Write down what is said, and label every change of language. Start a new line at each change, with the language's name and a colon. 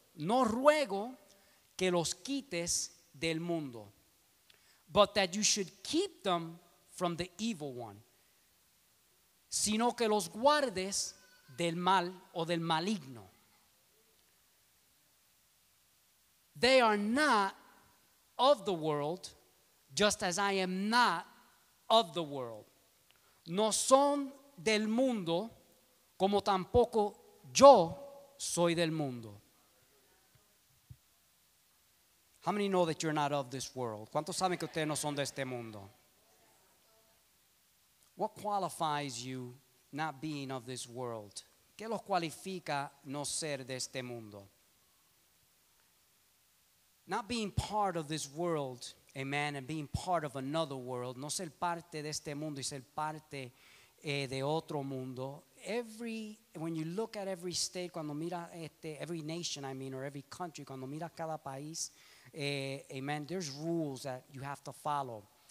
Spanish: No ruego que los quites del mundo,
English: but that you should keep them from the evil one,
Spanish: sino que los guardes del mal o del maligno.
English: They are not of the world, just as I am not of the world.
Spanish: No son del mundo, como tampoco yo soy del mundo.
English: How many know that you're not of this world?
Spanish: ¿Cuántos saben que ustedes no son de este mundo?
English: What qualifies you not being of this world?
Spanish: ¿Qué los cualifica no ser de este mundo?
English: Not being part of this world, amen, and being part of another world.
Spanish: No ser parte de este mundo y ser parte de otro mundo.
English: Every, when you look at every state,
Spanish: cuando mira
English: every nation, I mean, or every country,
Spanish: cuando mira cada país,
English: amen, there's rules that you have to follow.